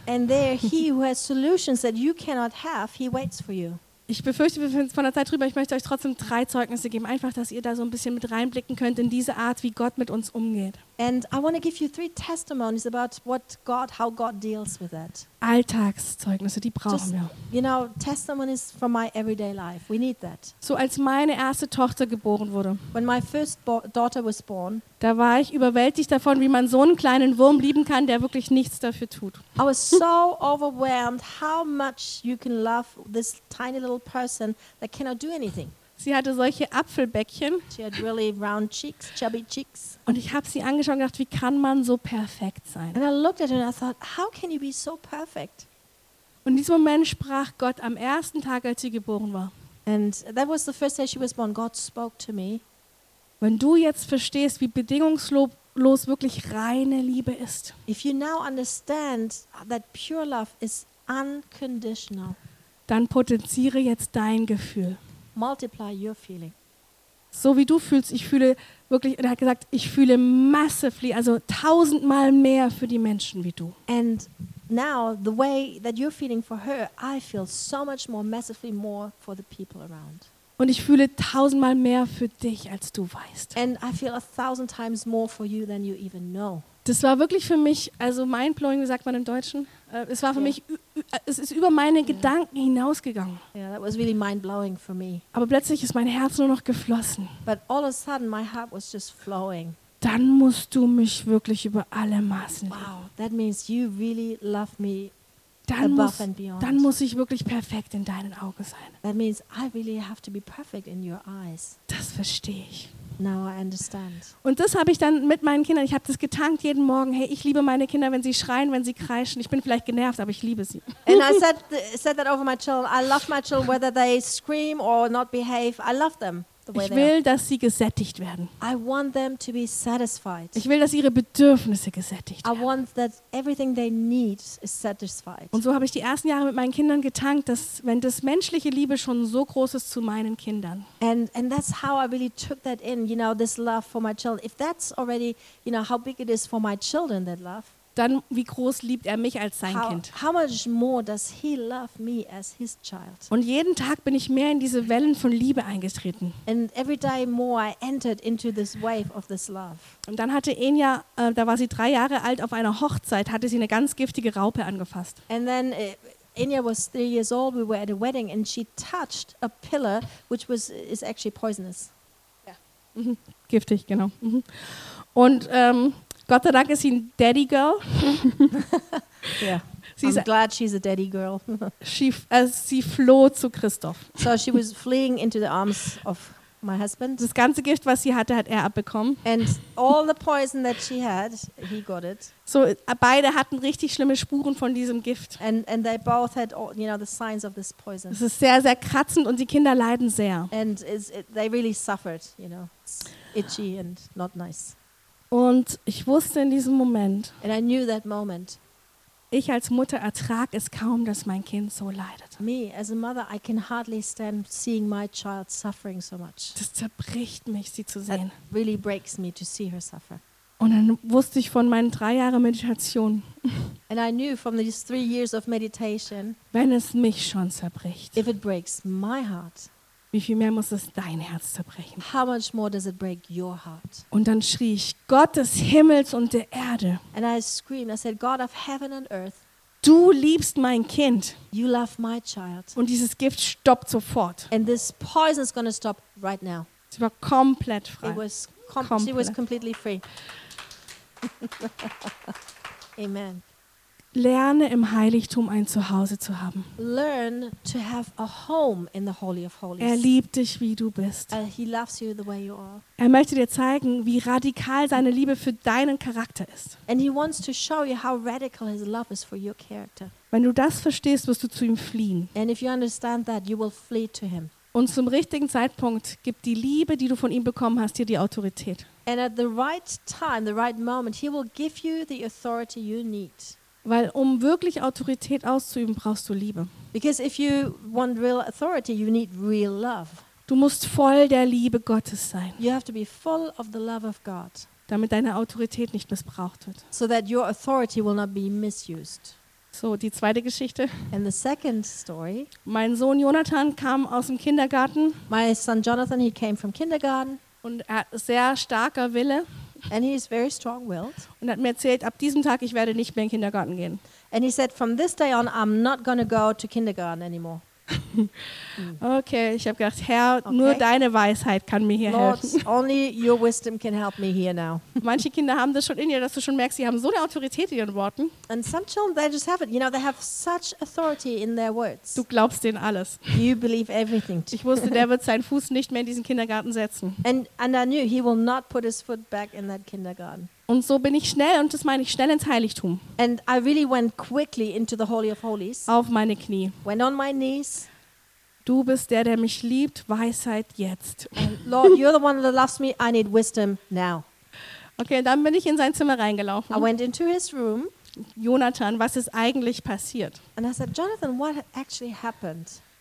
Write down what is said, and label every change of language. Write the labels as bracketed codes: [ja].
[en] And there he who has solutions that you cannot have, he waits for you. [de] Ich befürchte, wir sind von der Zeit drüber. Ich möchte euch trotzdem 3 Zeugnisse geben, einfach, dass ihr da so ein bisschen mit reinblicken könnt in diese Art, wie Gott mit uns umgeht. [en] And I want to give you 3 testimonies about what God, how God deals with that. [de] Alltagszeugnisse, die brauchen wir. [en] You know, testimonies from my everyday life. We need that. [de] So als meine erste Tochter geboren wurde. [en] When my first daughter was born. [de] Da war ich überwältigt davon, wie man so einen kleinen Wurm lieben kann, der wirklich nichts dafür tut. [en] I was so overwhelmed how much you can love this tiny little person that cannot do anything. [de] Sie hatte solche Apfelbäckchen. [en] She had really round cheeks, chubby cheeks. [de] Und ich habe sie angeschaut und gedacht, wie kann man so perfekt sein? [en] And I looked at her and I thought, how can you be so perfect? [de] Und in diesem Moment sprach Gott am ersten Tag, als sie geboren war. [en] And that was the first day she was born. God spoke to me. [de] Wenn du jetzt verstehst, wie bedingungslos wirklich reine Liebe ist. [en] If you now understand that pure love is unconditional. [de] Dann potenziere jetzt dein Gefühl. [en] Multiply your feeling. [de] So wie du fühlst, ich fühle wirklich, er hat gesagt, ich fühle massively, also 1000-mal mehr für die Menschen wie du. [en] And now the way that you're feeling for her, I feel so much more massively more for the people around. [de] Und ich fühle 1000-mal mehr für dich, als du weißt. [en] And I feel 1000 times more for you than you even know. [de] Das war wirklich für mich, also mind-blowing, wie sagt man im Deutschen? Es war für mich, es ist über meine Gedanken hinausgegangen. [en] Yeah, that was really mind-blowing for me. [de] Aber plötzlich ist mein Herz nur noch geflossen. [en] But all of a sudden my heart was just flowing. [de] Dann musst du mich wirklich über alle Maßen lieben. [en] Wow, that means you really love me. [de] Dann muss ich wirklich perfekt in deinen Augen sein. [en] That means I really have to be perfect in your eyes. [de] Das verstehe ich. [en] Now I understand. [de] Und das habe ich dann mit meinen Kindern, ich habe das getankt jeden Morgen. Hey, ich liebe meine Kinder, wenn sie schreien, wenn sie kreischen. Ich bin vielleicht genervt, aber ich liebe sie. [en] And I said that over my children. I love my children whether they scream or not behave. I love them. [de] Ich will, dass sie gesättigt werden. [en] I want them to be satisfied. [de] Ich will, dass ihre Bedürfnisse gesättigt werden. [en] I want that everything they need is satisfied. [de] Und so habe ich die ersten Jahre mit meinen Kindern getankt, dass wenn das menschliche Liebe schon so groß ist zu meinen Kindern. [en] And that's how I really took that in, you know, this love for my children. If that's already, you know, how big it is for my children, that love. [de] Dann wie groß liebt er mich als sein Kind. [en] How much more does he love me as his child? [de] Und jeden Tag bin ich mehr in diese Wellen von Liebe eingetreten. [en] And every day more I entered into this wave of this love. [de] Und dann hatte Enya, da war sie 3 Jahre alt, auf einer Hochzeit hatte sie eine ganz giftige Raupe angefasst. [en] And then Enya was 3 years old, we were at a wedding and she touched a pillar which is actually poisonous. [de] Yeah. Giftig, genau. Und Gott sei Dank ist sie ein Daddy Girl. [en] Yeah. I'm glad she's a Daddy Girl. [de] Sie floh zu Christoph. [en] So she was fleeing into the arms of my husband. [de] Das ganze Gift, was sie hatte, hat er abbekommen. [en] And all the poison that she had, he got it. [de] So beide hatten richtig schlimme Spuren von diesem Gift. [en] And they both had all, you know, the signs of this poison. [de] Es ist sehr, sehr kratzend und die Kinder leiden sehr. [en] And they really suffered, you know, it's itchy and not nice. [de] Und ich wusste in diesem Moment, [en] and I knew that moment, [de] Ich als Mutter ertrage es kaum, dass mein Kind so leidet. [en] Me as a mother, I can hardly stand seeing my child suffering so much. [de] Das zerbricht mich, sie zu sehen. [en] That really breaks me to see her suffer. [de] Und dann wusste ich von meinen 3 Jahren Meditation. [en] And I knew from these 3 years of meditation. [de] Wenn es mich schon zerbricht. [en] If it breaks my heart. [de] Wie viel mehr muss es dein Herz zerbrechen? [en] How much more does it break your heart? [de] Und dann schrie ich, Gott des Himmels und der Erde. [en] And I screamed, I said, God of heaven and earth. [de] Du liebst mein Kind. [en] You love my child. [de] Und dieses Gift stoppt sofort. [en] And this poison is going to stop right now. [de] Sie war komplett frei. [en] She was completely free. Amen. [de] Lerne im Heiligtum ein Zuhause zu haben. [en] Learn to have a home in the Holy of Holies. [de] Er liebt dich, wie du bist. [en] He loves you the way you are. [de] Er möchte dir zeigen, wie radikal seine Liebe für deinen Charakter ist. [en] And he wants to show you how radical his love is for your character. [de] Wenn du das verstehst, wirst du zu ihm fliehen. [en] And if you understand that, you will flee to him. [de] Und zum richtigen Zeitpunkt gibt die Liebe, die du von ihm bekommen hast, dir die Autorität. [en] And at the right time, the right moment, he will give you the authority you need. [de] Weil um wirklich Autorität auszuüben, brauchst du Liebe. [en] Because if you want real authority, you need real love. [de] Du musst voll der Liebe Gottes sein. [en] You have to be full of the love of God. [de] Damit deine Autorität nicht missbraucht wird. [en] So that your authority will not be misused. [de] So, die zweite Geschichte. [en] And the second story. [de] Mein Sohn Jonathan kam aus dem Kindergarten. [en] My son Jonathan, he came from kindergarten. [de] Und er hat sehr starker Wille. [en] And he is very strong-willed. [de] Und hat mir erzählt, ab diesem Tag ich werde nicht mehr in den Kindergarten gehen. [en] And he said, from this day on, I'm not going to go to kindergarten anymore. [de] Okay, ich habe gedacht, Herr, okay. Nur deine Weisheit kann mir hier [en] Lord, [de] helfen. [en] Only your wisdom can help me here now. [de] Manche Kinder haben das schon in ihr, dass du schon merkst, sie haben so eine Autorität in ihren Worten. [en] And some children, they just have it. You know, they have such authority in their words. [de] Du glaubst denen alles. [en] You believe everything. [de] Ich wusste, der wird seinen Fuß nicht mehr in diesen Kindergarten setzen. [en] And I knew he will not put his foot back in that kindergarten. [de] Und so bin ich schnell, und das meine ich schnell, ins Heiligtum. [en] And I really went quickly into the Holy of Holies. [de] Auf meine Knie. [en] Went on my knees. [de] Du bist der, der mich liebt, Weisheit jetzt. [en] And Lord, you're the one that loves me, I need wisdom now. [de] Okay, dann bin ich in sein Zimmer reingelaufen. [en] I went into his room. [de] Jonathan, was ist eigentlich passiert? [en] And I said, Jonathan, what actually happened?